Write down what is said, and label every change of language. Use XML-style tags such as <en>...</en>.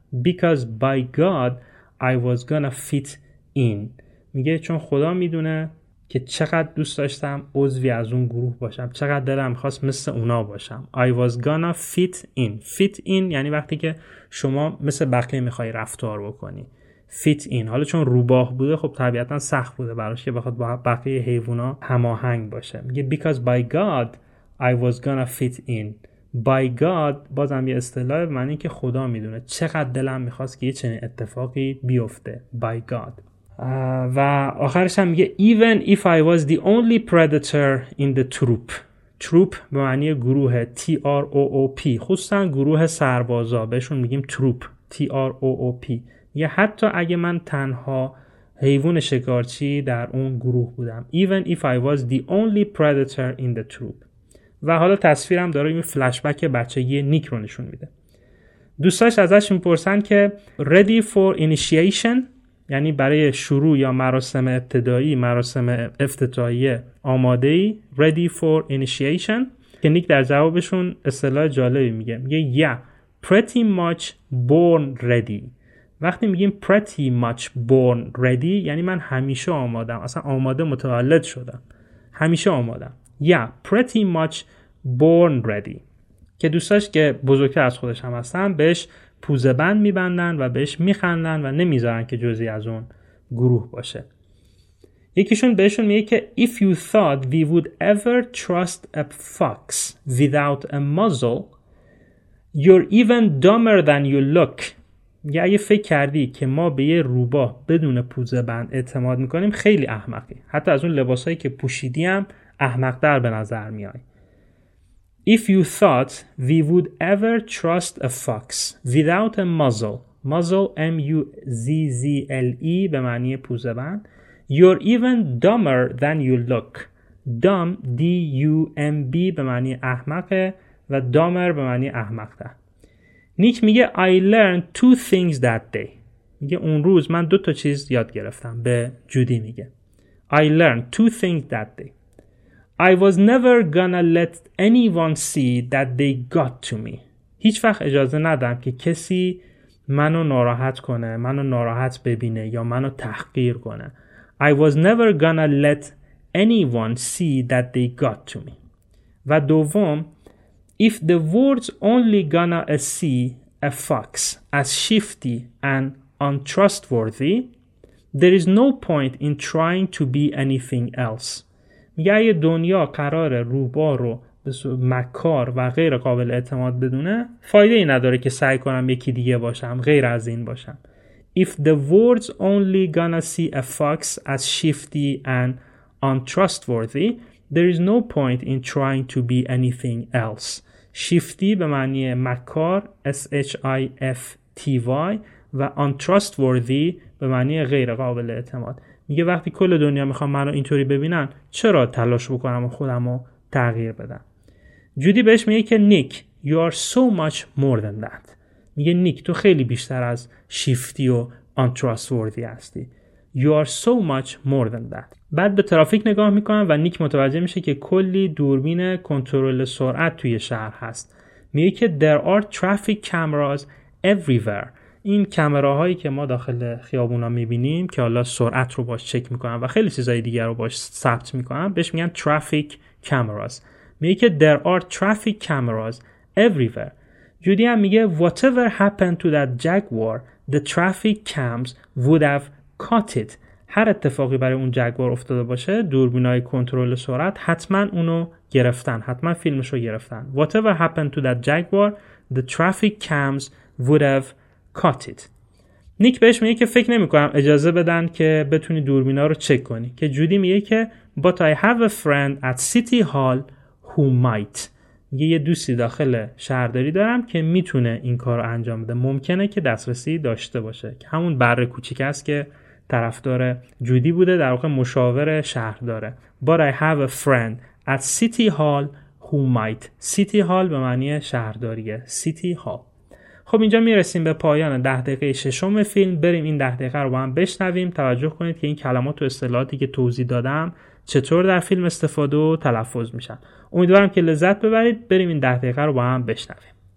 <en>Because by God I was gonna fit in.</en> <fa>میگه چون خدا میدونه که چقدر دوست داشتم عضوی از اون گروه باشم. چقدر دلم خواست مثل اونا باشم.</fa> <en>I was gonna fit in.</en> <fa>Fit in یعنی وقتی که شما مثل بقیه میخوایی رفتار بکنی.</fa> <en>Fit in.</en> <fa>حالا چون روباه بوده خب طبیعتاً سخت بوده براش که بخواد با بقیه حیوانا هماهنگ باشه. میگه</fa> <en>Because by God I was gonna fit in. By God</en> <fa>بازم یه اصطلاح معنی که خدا میدونه. چقدر دلم میخواست که یه چنین اتفاقی بیفته.</fa> <en>By God.</en> <fa>و آخرش هم میگه</fa> <en>Even if I was the only predator in the troop.</en> <fa>Troop به معنی گروه T-R-O-O-P. خصوصا گروه سربازا بهشون میگیم troop.</fa> <en>T-R-O-O-P.</en> <fa>یه حتی اگه من تنها حیوان شکارچی در اون گروه بودم.</fa> <en>Even if I was the only predator in the troop.</en> <fa>و حالا تصویرم داره این فلشبک بچگی نیک رو نشون میده. دوستاش ازش میپرسن که</fa> <en>Ready for initiation؟</en> <fa>یعنی برای شروع یا مراسم ابتدایی مراسم افتتاحیه آماده ای</fa> <en>ready for initiation</en> <fa>که نیک در جوابشون اصطلاح جالبی میگه میگه</fa> <en>yeah pretty much born ready.</en> <fa>وقتی میگیم</fa> <en>pretty much born ready</en> <fa>یعنی من همیشه آمادم اصلا آماده متولد شدم همیشه آمادم</fa> <en>yeah pretty much born ready</en> <fa>که دوستاش که بزرگتر از خودش هم هستن بهش پوزه بند میبندن و بهش میخندن و نمیذارن که جزی از اون گروه باشه. یکیشون بهشون میگه که</fa> <en>If you thought we would ever trust a fox without a muzzle, you're even dumber than you look.</en> <fa>یا اگه فکر کردی که ما به یه روباه بدون پوزه بند اعتماد میکنیم خیلی احمقی. حتی از اون لباسایی که پوشیدی هم احمق در به نظر میای.</fa> <en>If you thought we would ever trust a fox without a muzzle, muzzle M-U-Z-Z-L-E</en> <fa>به معنی پوزه بند,</fa> <en>you're even dumber than you look.</en> <fa>Dumb, D-U-M-B به معنی احمقه و dumber به معنی احمقه. نیک میگه</fa> <en>I learned two things that day.</en> <fa>میگه اون روز من دو تا چیز یاد گرفتم به جودی میگه.</fa> <en>I learned two things that day. I was never gonna let anyone see that they got to me.</en> <fa>هیچ وقت اجازه ندم که کسی منو ناراحت کنه، منو ناراحت ببینه یا منو تحقیر کنه.</fa> <en>I was never gonna let anyone see that they got to me.</en> <fa>و دوم،</fa> <en>if the world's only gonna see a fox as shifty and untrustworthy, there is no point in trying to be anything else.</en> <fa>میگه اگه دنیا قراره روباه رو مکار و غیر قابل اعتماد بدونه فایده ای نداره که سعی کنم یکی دیگه باشم غیر از این باشم.</fa> <en>If the world's only gonna see a fox as shifty and untrustworthy, there is no point in trying to be anything else.</en> <fa>Shifty به معنی مکار, shifty, و untrustworthy به معنی غیر قابل اعتماد. میگه وقتی کل دنیا میخوام منو اینطوری ببینن, چرا تلاش بکنم و خودمو تغییر بدم؟ جودی بهش میگه که نیک,</fa> <en>you are so much more than that.</en> <fa>میگه نیک, تو خیلی بیشتر از شیفتی و untrustworthy هستی.</fa> <en>You are so much more than that.</en> <fa>بعد به ترافیک نگاه میکنن و نیک متوجه میشه که کلی دوربین کنترل سرعت توی شهر هست. میگه که</fa> <en>there are traffic cameras everywhere.</en> <fa>این کمراهایی که ما داخل خیابونا میبینیم که حالا سرعت رو باش چک میکنن و خیلی چیزای دیگر رو باش ثبت میکنن, بهش میگن traffic cameras. میگه که</fa> <en>there are traffic cameras everywhere.</en> <fa>جودی هم میگه</fa> <en>whatever happened to that jaguar, the traffic cams would have caught it.</en> <fa>هر اتفاقی برای اون جگوار افتاده باشه, دوربینای کنترل سرعت حتما اونو گرفتن, حتما فیلمش رو گرفتن.</fa> <en>Whatever happened to that jaguar, the traffic cams would have caught it.</en> <fa>نیک بهش میگه که فکر نمی‌کنم اجازه بدن که بتونی دوربینا رو چک کنی. که جودی میگه که</fa> <en>but I have a friend at city hall who might.</en> <fa>یه دوستی داخل شهرداری دارم که میتونه این کار رو انجام بده, ممکنه که دسترسی داشته باشه, که همون بره کوچیک است که طرفدار جودی بوده, در واقع مشاور شهرداره.</fa> <en>But I have a friend at city hall who might.</en> <fa>City hall به معنی شهرداریه, city hall. خب اینجا میرسیم به پایان 10 دقیقه ششم فیلم. بریم این 10 دقیقه رو با هم بشنویم. توجه کنید که این کلمات و اصطلاحاتی که توضیح دادم چطور در فیلم استفاده و تلفظ میشن. امیدوارم که لذت ببرید. بریم این 10 دقیقه رو با هم بشنویم.</fa>